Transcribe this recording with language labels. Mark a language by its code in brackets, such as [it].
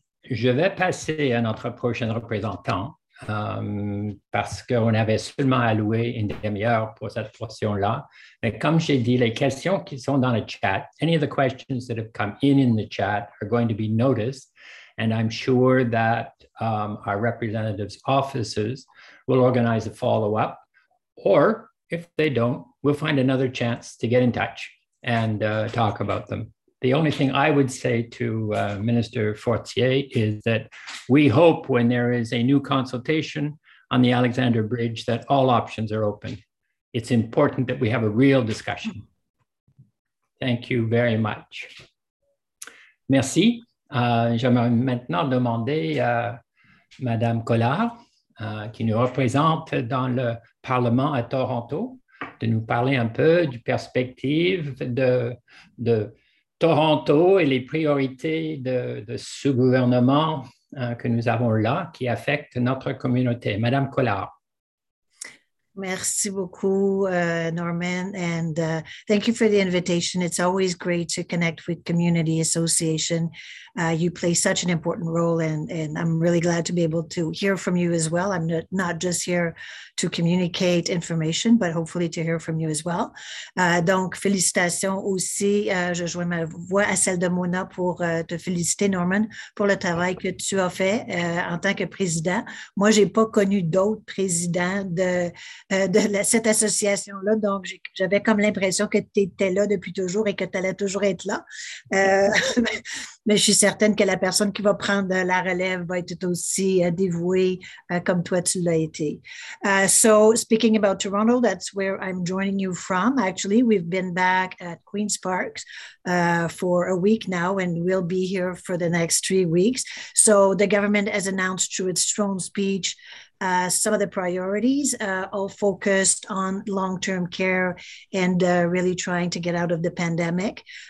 [fr] Je vais passer à notre prochain représentant parce qu'on avait seulement alloué une demi-heure pour cette portion-là. Mais comme j'ai dit, les questions qui sont dans le chat, [en] any of the questions that have come in the chat are going to be noticed, and I'm sure that our representatives' offices will organize a follow-up, or if they don't, we'll find another chance to get in touch and talk about them. The only thing I would say to Minister Fortier is that we hope when there is a new consultation on the Alexander Bridge that all options are open. It's important that we have a real discussion. Thank you very much. [fr] Merci. J'aimerais maintenant demander à Madame Collard, qui nous représente dans le Parlement à Toronto, de nous parler un peu du perspective de Toronto et les priorités de ce gouvernement que nous avons là qui affectent notre communauté. Madame Collard. Merci beaucoup, [en] Norman, and thank you for the invitation. It's always great to connect with Community Association. You play such an important role, and I'm really glad to be able to hear from you as well. I'm not just here to communicate information, but hopefully to hear from you as well. [fr] Donc, félicitations aussi. Je joins ma voix à celle de Mona pour te féliciter, Norman, pour le travail que tu as fait en tant que président. Moi, j'ai pas connu d'autres présidents de cette association-là. Donc, j'avais comme l'impression que tu étais là depuis toujours et que tu allais toujours être là. Mais je suis certaine que la personne qui va prendre la relève va être tout aussi dévouée comme toi, tu l'as été. [en] So, speaking about Toronto, that's where I'm joining you from. Actually, we've been back at Queen's Park for a week now, and we'll be here for the next 3 weeks. So, the government has announced through its strong speech some of the priorities all focused on long-term care and really trying to get out of the pandemic.